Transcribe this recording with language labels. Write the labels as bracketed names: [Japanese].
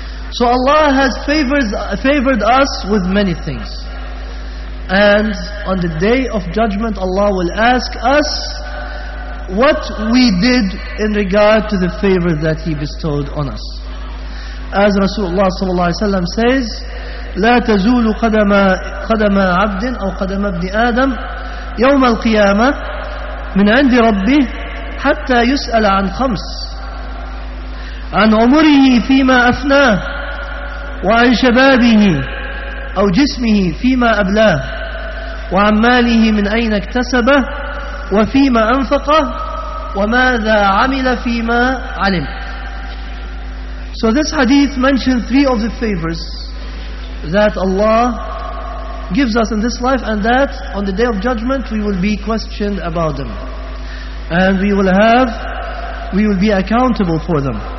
[English] So Allah has favored us with many things. And on the day of judgment, Allah will ask us what we did in regard to the favor that He bestowed on us. As Rasulullah sallallahu alayhi wa sallam says, [Arabic] لَا تَزُولُ قَدَمَا عَبْدٍ أَوْ قَدَمَ ابْنِ آدَمْ يَوْمَ الْقِيَامَةِ مِنْ عَنْدِ رَبِّهِ حتى يسأل عن خمس, عن عمره فيما أفناه, وعن شبابه أو جسمه فيما أبلاه, وعن ماله من أين اكتسبه, وفيما أنفقه, وماذا عمل فيما علم. [English] So this hadith mentions three of the favors that Allah gives us in this life, and that on the day of judgment we will be questioned about them, and we will be accountable for them.